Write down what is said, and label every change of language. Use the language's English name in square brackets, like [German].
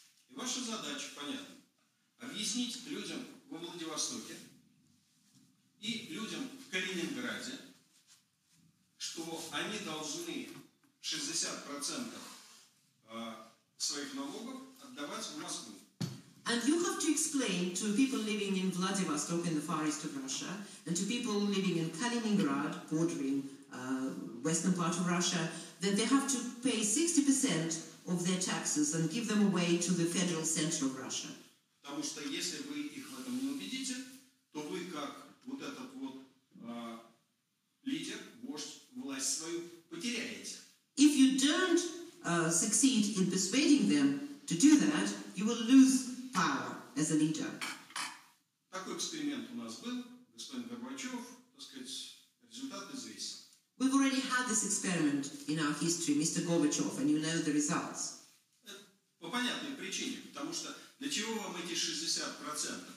[Russian] И ваша задача, понятно, объяснить людям во Владивостоке и людям в Калининграде, что они должны 60% своих налогов отдавать в Москву. [English] And you have to explain to people living in Vladivostok in the far east of Russia and to people living in Kaliningrad, bordering western part of Russia, that they have to pay 60% of their taxes and give them away to the federal center of Russia. [Russian] Потому что если вы их в этом не убедите, то вы как вот этот вот лидер, вождь, власть свою потеряете. [English] If you don't succeed in persuading them to do that, you will lose power as a leader. [Russian] Такой эксперимент у нас был, господин Горбачев, так сказать, результат известен. [English] We've already had this experiment in our history, Mr. Gorbachev, and you know the results. [Russian] По понятной причине, потому что для чего вам эти 60%?